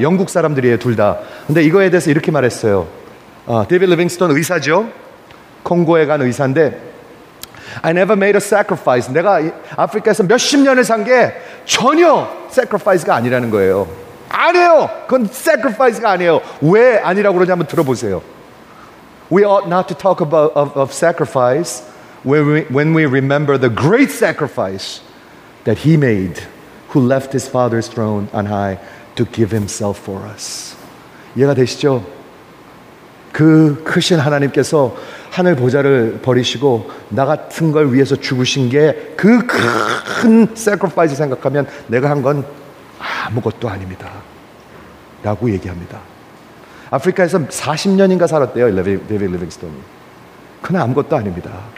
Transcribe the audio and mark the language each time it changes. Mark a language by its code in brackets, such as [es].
[ko] 영국 사람들이에요, 둘 다. 근데 이거에 대해서 이렇게 말했어요. 데이비드 리빙스톤 의사죠. 콩고에 간 의사인데 [en] I never made a sacrifice. [ko] 내가 아프리카에서 몇십 년을 산 게 전혀 sacrifice가 아니라는 거예요. 아니에요. 그건 sacrifice가 아니에요. 왜 아니라고 그러냐 한번 들어보세요. [en] We ought not to talk about of sacrifice when we remember the great sacrifice that he made who left his father's throne on high to give himself for us. [ko] 이해가 되시죠? 그 크신 하나님께서 하늘 보좌를 버리시고 나 같은 걸 위해서 죽으신 게 그 큰 sacrifice 생각하면 내가 한 건 아무것도 아닙니다 라고 얘기합니다. 아프리카에서 40년인가 살았대요. 데이비드 리빙스톤이. 그건 아무것도 아닙니다.